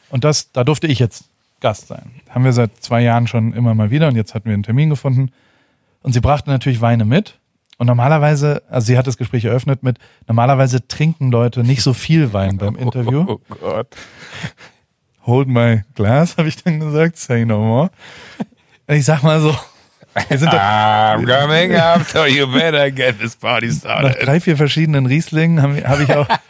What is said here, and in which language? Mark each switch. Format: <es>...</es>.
<de>Und da durfte ich jetzt Gast sein. Haben wir seit 2 Jahren schon immer mal wieder und jetzt hatten wir einen Termin gefunden. Und sie brachte natürlich Weine mit. Und normalerweise, also sie hat das Gespräch eröffnet mit, normalerweise trinken Leute nicht so viel Wein beim Interview. Oh Gott.</de> <en>Hold my glass,</en> <de>habe ich dann gesagt.</de> <en>Say no more.</en> <de>Ich sag mal so. Wir sind doch,</de> <en>I'm coming up, so you better get this party started.</en> <de>Nach 3-4 verschiedenen Rieslingen habe ich auch.</de>